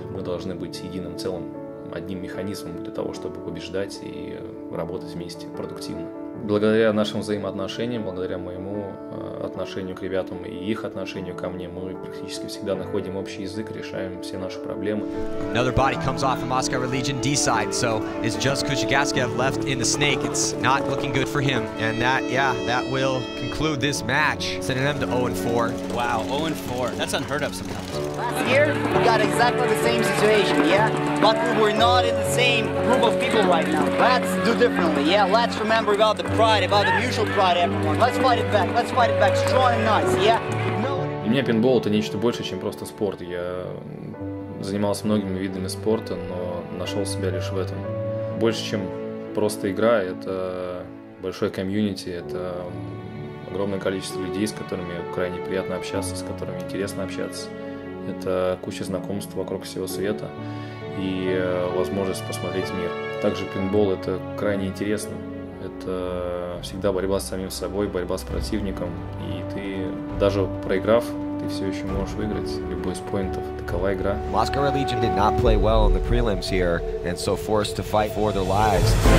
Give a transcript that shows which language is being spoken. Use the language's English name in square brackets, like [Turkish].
[Russian] Мы должны быть единым целым, одним механизмом для того, чтобы побеждать и работать вместе продуктивно. Благодаря нашим взаимоотношениям, благодаря моему отношению к ребятам и их отношению ко мне, мы практически всегда находим общий язык, решаем все наши проблемы. [English] Another body comes off of Moscow Legion D side, so it's just Kuchigaskev left in the snake. It's not looking good for him. And that, yeah, that will conclude this match. Sending them to 0-4. Wow, 0-4. That's unheard of sometimes. Last year, we got exactly the same situation, yeah? But we're not in the same group of people right now. Let's do differently, yeah? Let's remember about the pride, about the mutual pride, everyone. Let's fight it back. Let's fight it back strong and nice, yeah? [Russian] Для меня пинбол — это нечто большее, чем просто спорт. Я занимался многими видами спорта, но нашел себя лишь в этом. Больше, чем просто игра, это большое комьюнити, это огромное количество людей, с которыми крайне приятно общаться, с которыми интересно общаться. Это куча знакомств вокруг всего света и возможность посмотреть мир. Также пинбол — это крайне интересно. Это всегда борьба с самим собой, борьба с противником. И ты, даже проиграв, ты все еще можешь выиграть любой из поинтов. Такова игра. [English] Moscow Legion did not play well in the prelims here, and so forced to fight for their lives.